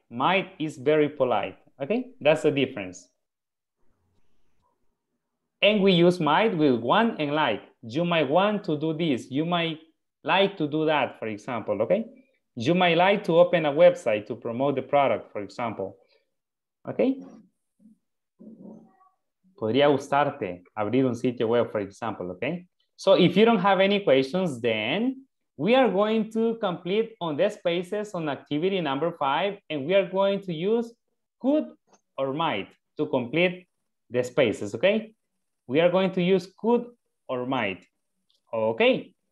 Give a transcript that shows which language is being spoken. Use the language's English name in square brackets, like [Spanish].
[English] Might is very polite. Okay, that's the difference. And we use might with want and like. You might want to do this. You might like to do that, for example, okay? You might like to open a website to promote the product, for example. Okay? [Spanish] Podría gustarte abrir un sitio web, [English] for example, [Spanish] okay? [English] So if you don't have any questions, then we are going to complete on the spaces on activity number 5, and we are going to use could or might to complete the spaces, okay? We are going to use could or might, okay?